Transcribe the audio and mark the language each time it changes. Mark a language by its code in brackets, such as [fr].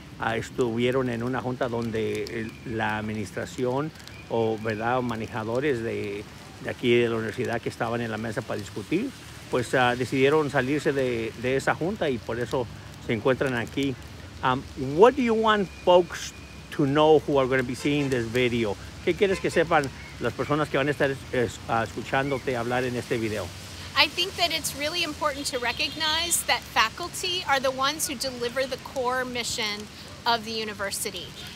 [es] Estuvieron en una junta donde la administración o verdad manejadores de aquí de la universidad que estaban en la mesa para discutir, pues decidieron salirse de esa junta y por eso se encuentran aquí. [en] What do you want folks to know who are going to be seeing this video? [es] ¿Qué quieres que sepan las personas que van a estar escuchándote hablar en este video? [en] I think that it's really important to recognize that faculty are the ones who deliver the core mission of the university.